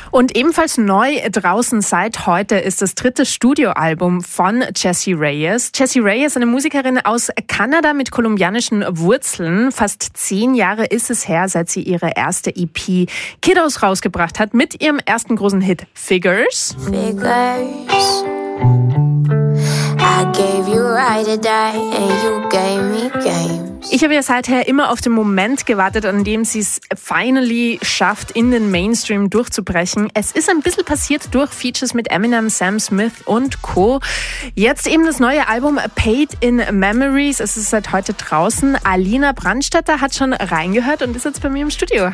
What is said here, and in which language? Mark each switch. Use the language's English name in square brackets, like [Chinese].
[German] Und ebenfalls neu draußen seit heute ist das dritte Studioalbum von Jessie Reyes. Jessie Reyes, eine Musikerin aus Kanada mit kolumbianischen Wurzeln. Fast 10 Jahre ist es her, seit sie ihre erste EP Kiddos rausgebracht hat mit ihrem ersten großen Hit Figures. Figures. [English] I gave you right to die and you gave me games. [German] Tipps? Ich habe ja seither immer auf den Moment gewartet, an dem sie es finally schafft, in den Mainstream durchzubrechen. Es ist ein bisschen passiert durch Features mit Eminem, Sam Smith und Co. Jetzt eben das neue Album Paid in Memories. Es ist seit heute draußen. Alina Brandstätter hat schon reingehört und ist jetzt bei mir im Studio.